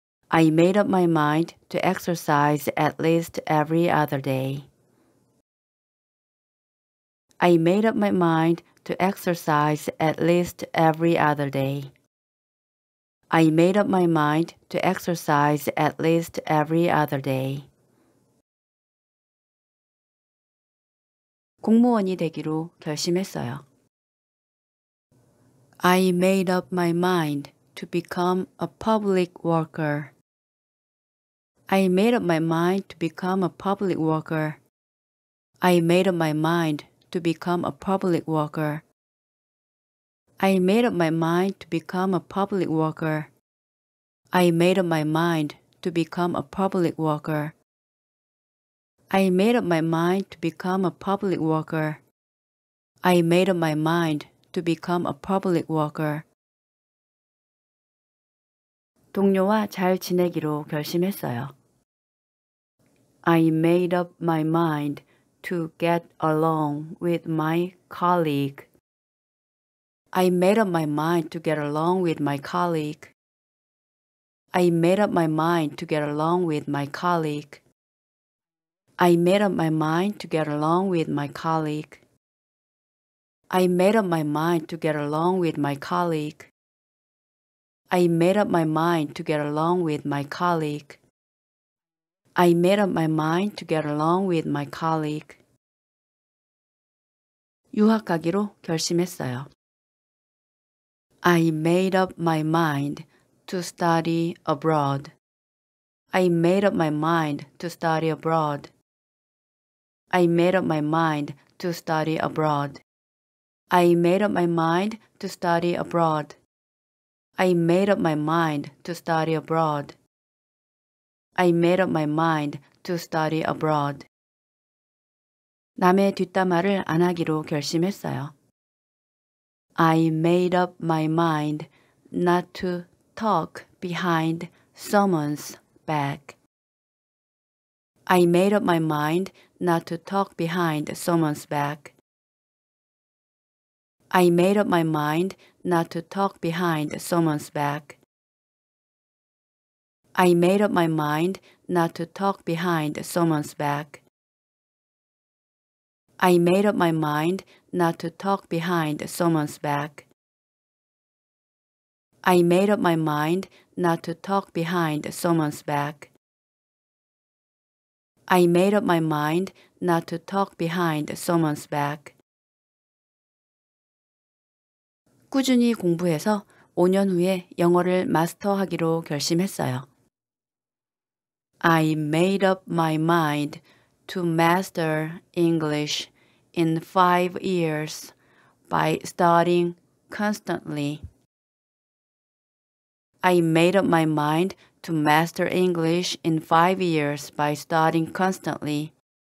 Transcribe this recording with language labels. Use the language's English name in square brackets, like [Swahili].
[English] I made up my mind to exercise at least every other day. I made up my mind to exercise at least every other day. I made up my mind to exercise at least every other day. [Korean] 공무원이 되기로 결심했어요. [English] I made up my mind to become a public worker. I made up my mind to become a public worker. I made up my mind to become a public worker. I made up my mind to become a public worker. I made up my mind to become a public worker. I made up my mind to become a public worker. I made up my mind to become a public worker. [Korean] 동료와 잘 지내기로 결심했어요. [English] I made up my mind to get along with my colleague. I made up my mind to get along with my colleague. I made up my mind to get along with my colleague. I made up my mind to get along with my colleague. I made up my mind to get along with my colleague. I made up my mind to get along with my colleague. I made up my mind to get along with my colleague. [Korean] 유학 가기로 결심했어요. [English] I made up my mind to study abroad. I made up my mind to study abroad. I made up my mind to study abroad. I made up my mind to study abroad. I made up my mind to study abroad. I made up my mind to study abroad. [Korean] 남의 뒷담화를 안 하기로 결심했어요. [English] I made up my mind not to talk behind someone's back. I made up my mind not to talk behind someone's back. I made up my mind not to talk behind someone's back. I made up my mind not to talk behind someone's back. I made up my mind not to talk behind someone's back. I made up my mind not to talk behind someone's back. I made up my mind not to talk behind someone's back. [Korean] 꾸준히 공부해서 5년 후에 영어를 마스터하기로 결심했어요. [English] I made up my mind to master English in 5 years by studying constantly. I made up my mind to master English in 5 years by studying constantly.